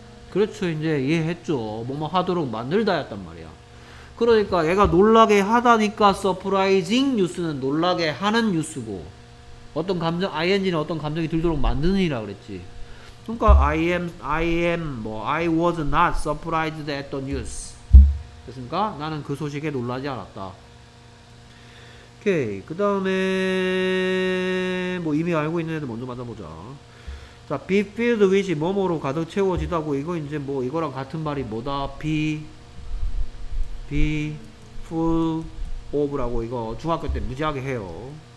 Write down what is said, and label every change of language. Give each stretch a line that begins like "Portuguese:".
Korean: 그렇죠, 이제 이해했죠. 뭐뭐 하도록 만들다였단 말이야. 그러니까 얘가 놀라게 하다니까 서프라이징 뉴스는 놀라게 하는 뉴스고 어떤 감정, ing는 어떤 감정이 들도록 만드는 이라 그랬지. 그러니까
English: I am 뭐 I was not surprised at the news.
Korean: 됐습니까? 나는 그 소식에 놀라지 않았다. 오케이. 그다음에 뭐 이미 알고 있는 애들 먼저 맞아보자. 자, be filled with이 뭐뭐로 가득 채워지다고 이거 이제 뭐 이거랑 같은 말이 뭐다? be full of라고 이거 중학교 때 무지하게 해요.